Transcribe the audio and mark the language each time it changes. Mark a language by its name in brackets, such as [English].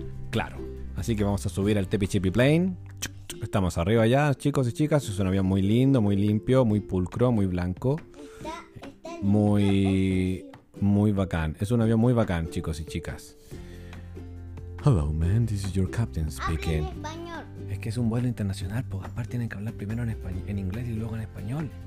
[Spanish] Claro, así que vamos a subir al Tepi Tepi Plane. Estamos arriba ya, chicos y chicas. Es un avión muy lindo, muy limpio, muy pulcro, muy blanco. Muy bacán. Es un avión muy bacán, chicos y chicas. [English] Hello, man, this is your captain speaking. [Spanish] Es que es un vuelo internacional, pues aparte tienen que hablar primero en inglés y luego en español.